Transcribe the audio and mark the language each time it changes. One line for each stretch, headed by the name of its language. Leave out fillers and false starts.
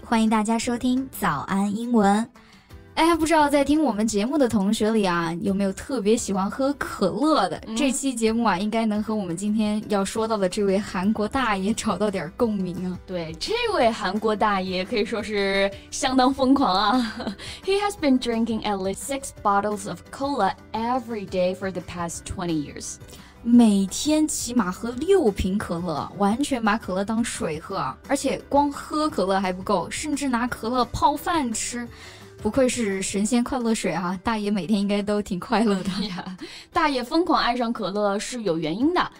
Chinese: 欢迎大家收听早安英文。哎，不知道在听我们节目的同学里啊，有没有特别喜欢喝可乐的？这期节目啊，应该能和我们今天要说到的这位韩国大爷找到点共鸣啊。对，这位韩国大爷可以说是相当疯狂啊。
English: He has been drinking at least 6 bottles of cola every day for the past 20 years.
Chinese: 每天起码喝六瓶可乐，完全把可乐当水喝，而且光喝可乐还不够，甚至拿可乐泡饭吃。不愧是神仙快乐水啊，大爷每天应该都挺快乐的。 Yeah, 大爷疯狂爱上可乐是有原因的。